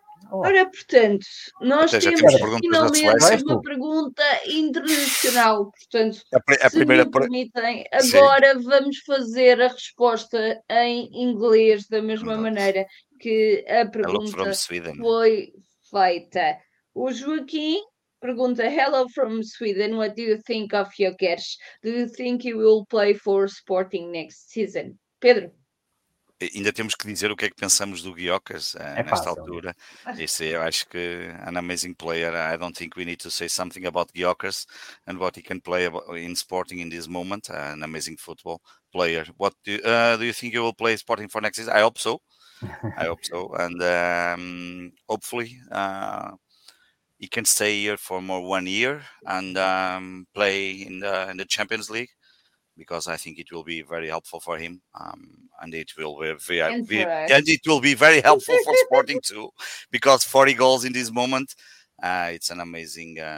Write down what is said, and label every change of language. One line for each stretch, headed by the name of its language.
Portuguese: Ora, portanto, nós temos finalmente uma pergunta internacional, portanto, permitem, agora vamos fazer a resposta em inglês, da mesma maneira que a pergunta foi feita. O Joaquim pergunta,
English: hello from Sweden, what do you think of Jokers? Do you think he will play for Sporting next season?
Portuguese: Pedro? Ainda temos que dizer o que é que pensamos do Gyökeres nesta altura. Isso, eu acho que é
English: an amazing player. I don't think we need to say something about Gyökeres and what he can play in Sporting in this moment. An amazing football player. What do you think he will play Sporting for next season? I hope so. And hopefully... he can stay here for more 1 year and play in the Champions League, because I think it will be very helpful for him, and it will be very helpful for Sporting too, because 40 goals in this moment, it's an amazing